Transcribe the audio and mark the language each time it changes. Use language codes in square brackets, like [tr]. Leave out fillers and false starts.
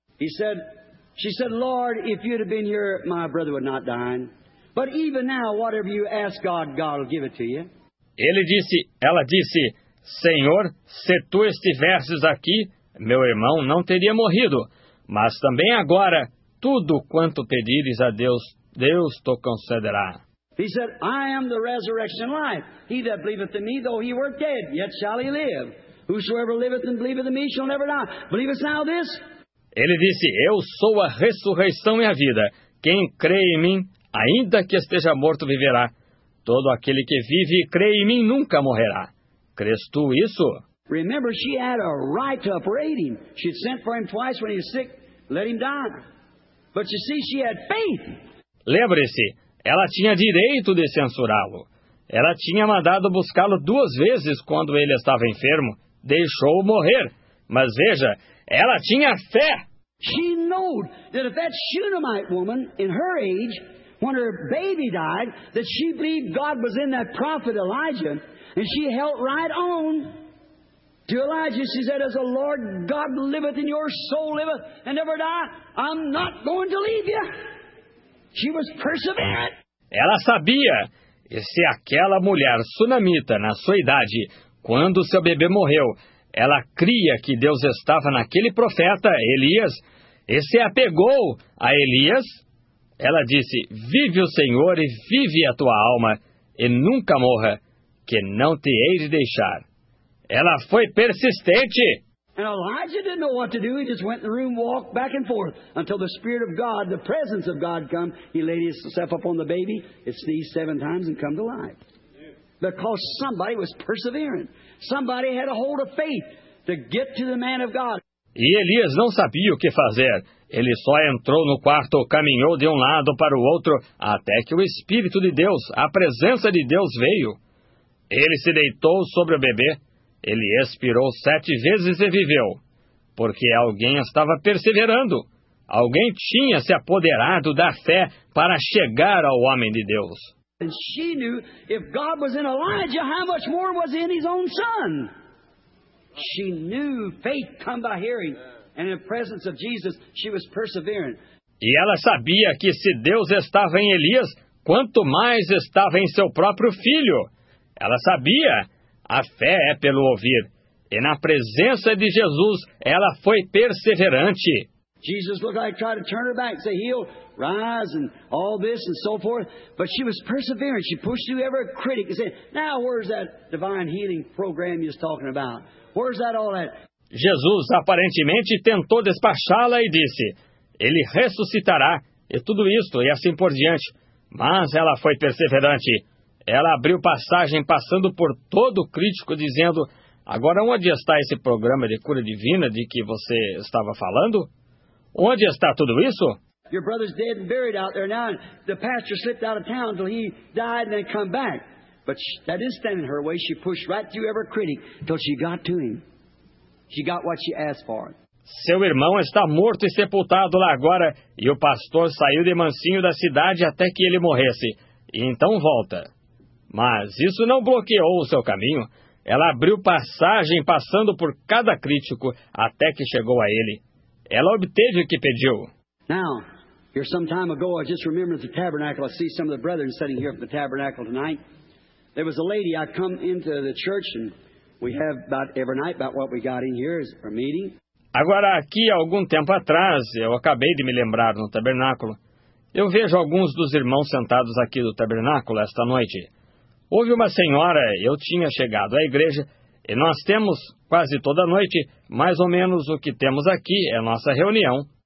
[en] She said, Lord, if you'd have been here, my brother would not die. But even now, whatever you ask God, God will give it to you. [pt] Ela disse, Senhor, se tu estivesses aqui, meu irmão não teria morrido. Mas também agora, tudo quanto pedires a Deus, Deus te concederá. [en] He said, I am the resurrection life. He that believeth in me, though he were dead, yet shall he live. Whosoever liveth and believeth in me shall never die. Believest thou this? [pt] Ele disse, eu sou a ressurreição e a vida. Quem crê em mim, ainda que esteja morto, viverá. Todo aquele que vive e crê em mim nunca morrerá. Crês tu isso? [en] Remember, she had a right to upbraid him. She had sent for him twice when he was sick, let him die. But you see, she had faith. [pt] Lembre-se, ela tinha direito de censurá-lo. Ela tinha mandado buscá-lo duas vezes quando ele estava enfermo. Deixou-o morrer. Mas veja, ela tinha fé. [en] She knew that if that Shunammite woman, in her age, when her baby died, that she believed God was in that prophet Elijah, and she held right on. To Elijah, she said, as the Lord God liveth and your soul liveth and never die, I'm not going to leave you. She was perseverant. [pt] Ela sabia. E se aquela mulher sunamita, na sua idade, quando seu bebê morreu, ela cria que Deus estava naquele profeta, Elias, e se apegou a Elias, ela disse, vive o Senhor e vive a tua alma, e nunca morra. que não te hei de deixar. Ela foi persistente. [en] And Elijah didn't know what to do. He just went in the room, walked back and forth until the Spirit of God, the presence of God, come. He laid himself up on the baby. It sneezed 7 times and come to life. Because somebody was persevering. Somebody had a hold of faith to get to the man of God. [pt] E Elias não sabia o que fazer. Ele só entrou no quarto, caminhou de um lado para o outro, até que o Espírito de Deus, a presença de Deus, veio. Ele se deitou sobre o bebê. Ele expirou 7 vezes e viveu, porque alguém estava perseverando. Alguém tinha se apoderado da fé para chegar ao homem de Deus. E ela sabia que se Deus estava em Elijah, quanto mais estava em seu próprio filho. Ela sabia que a fé vem por ouvir, e na presença de Jesus, ela estava perseverando. E ela sabia que se Deus estava em Elias, quanto mais estava em seu próprio filho. Ela sabia. A fé é pelo ouvir. E na presença de Jesus, ela foi perseverante. [en] Jesus looked like trying to turn her back and say, heal, rise, and all this and so forth. But she was persevering. She pushed through every critic and said, now where's that divine healing program you're talking about? Where's that all at? [pt] Jesus aparentemente tentou despachá-la e disse, ele ressuscitará e tudo isto e assim por diante. Mas ela foi perseverante. Ela abriu passagem passando por todo o crítico, dizendo, agora onde está esse programa de cura divina de que você estava falando? Onde está tudo isso? [en] Your brother's dead and buried out there now. The pastor slipped out of town until he died and then come back. But that didn't stand in her way. She pushed right through every critic until she got to him. She got what she asked for. [pt] Seu irmão está morto e sepultado lá agora, e o pastor saiu de mansinho da cidade até que ele morresse. E então volta. Mas isso não bloqueou o seu caminho. Ela abriu passagem passando por cada crítico até que chegou a ele. Ela obteve o que pediu. [en] Now, here some time ago, I just remembered the tabernacle. I see some of the brethren sitting here at the tabernacle tonight. There was a lady, I come into the church and we have about every night about what we got in here is our meeting. [pt] Agora, aqui algum tempo atrás, eu acabei de me lembrar no tabernáculo. Eu vejo alguns dos irmãos sentados aqui do tabernáculo esta noite. Houve uma senhora, eu tinha chegado à igreja, e nós temos, quase toda noite, mais ou menos o que temos aqui, é a nossa reunião.